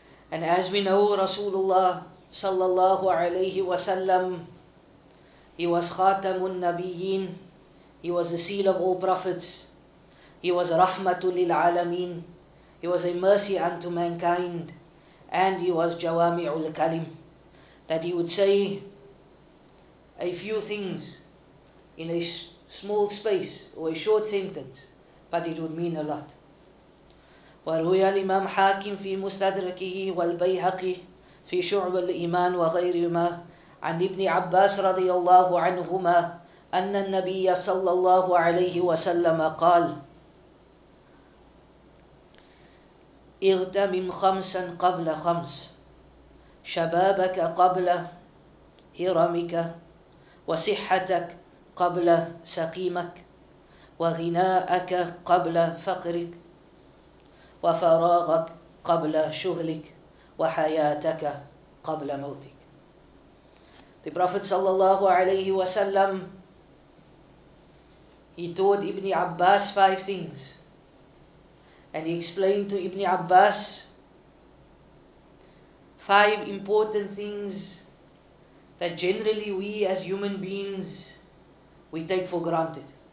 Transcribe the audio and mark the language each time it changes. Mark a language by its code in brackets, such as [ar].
[en] And as we know, Rasulullah sallallahu alayhi wa sallam, he was khatamun nabiyyin, he was the seal of all prophets, he was rahmatul lil alameen, he was a mercy unto mankind, and he was jawami'ul kalim, that he would say a few things in a small space or a short sentence, but it would mean a lot. [ar] وروي الإمام حاكم في مستدركه والبيهقي في شعب الإيمان وغيرهما عن ابن عباس رضي الله عنهما أن النبي صلى الله عليه وسلم قال اغتمم خمسا قبل خمس شبابك قبل هرمك وصحتك قبل سقيمك وغناءك قبل فقرك وفراغك قبل شغلك وحياتك قبل موتك. [en] The Prophet sallallahu alayhi wa sallam, he told Ibn Abbas five things, and he explained to Ibn Abbas five important things that generally we as human beings we take for granted.